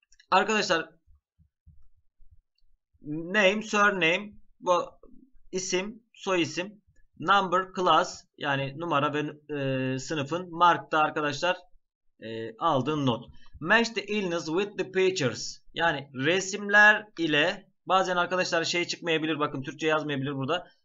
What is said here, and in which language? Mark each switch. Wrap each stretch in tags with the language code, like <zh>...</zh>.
<tr>Arkadaşlar, surname, bu isim, soy isim. Number, class, yani numara ve sınıfın. Mark da arkadaşlar aldığın not.</tr> <en>Match the illness with the pictures.</en> <tr>Yani resimler ile, bazen arkadaşlar şey çıkmayabilir, bakın Türkçe yazmayabilir burada.</tr>